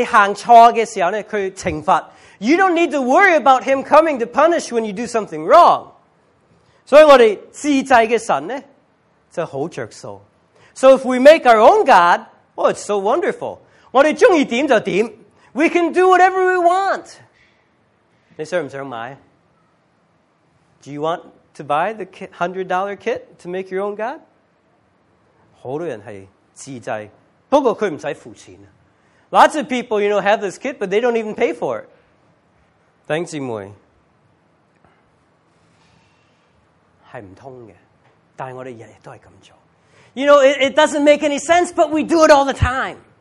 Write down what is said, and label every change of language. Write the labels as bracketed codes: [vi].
[zh] 你又唔使驚呢，你行錯嘅時候呢，佢懲罰。 [en] You don't need to worry about him coming to punish when you do something wrong. [zh] 所以我哋自制嘅神呢，就好着数。 [en] So if we make our own God, oh, it's so wonderful. [zh] 我们喜欢怎样就怎样。 [en] We can do whatever we want. [zh] 你想不想买? [en] Do you want to buy the $100 kit to make your own God? [zh] 很多人是自制，不过他不用付钱。 [en] Lots of people, you know, have this kit, but they don't even pay for it. [zh] 弟兄姊妹，是不通的，但我们每天都是这样做。 [en] You know, it doesn't make any sense, but we do it all the time.